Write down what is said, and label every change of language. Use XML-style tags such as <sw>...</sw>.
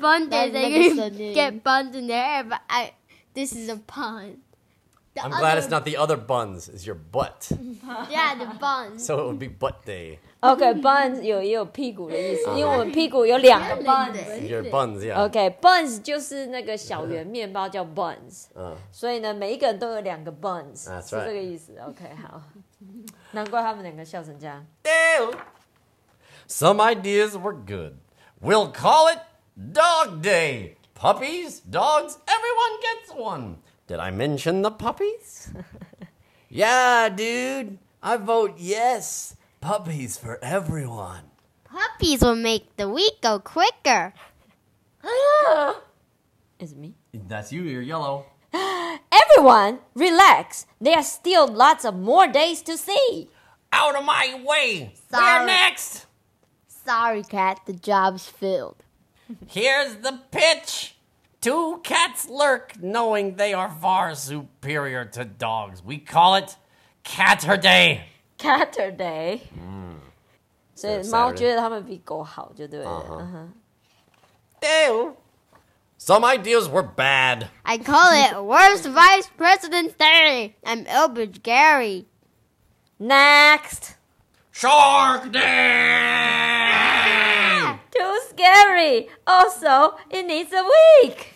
<en>Bun Day, they can get buns in there, but this is a pun. I'm glad it's not the other buns, it's your butt. Yeah, the buns. So it would be butt day.</en> <zh>Okay, buns 有屁股的意思，因为我们屁股有两个 buns.</zh> <en>Your buns, yeah.</en> <zh>Okay, buns 就是那个小圆面包叫 buns. 所以呢，每一个人都有两个 buns.</zh> <en>That's right.</en> <zh>是这个意思。Okay, 好。难怪他们两个笑成这样。</zh> <en>Damn! Some ideas were good. We'll call it Dog Day. Puppies, dogs, everyone gets one. Did I mention the puppies? Yeah, dude. I vote yes. Puppies for everyone. Puppies will make the week go quicker. Is it me? That's you. You're yellow. Everyone, relax. There are still lots of more days to see. Out of my way. Sorry. We're next. Sorry, cat. The job's filled. Here's the pitch. Two cats lurk, knowing they are far superior to dogs. We call it Catterday. Catterday.</en> <zh>So, 猫觉得他们比狗好就对了。</zh> <en>Dale. Some ideas were bad. I call it Worst Vice President Day. I'm Elbridge Gerry. Next. Shark Day. Too scary. Also, it needs a week.</en>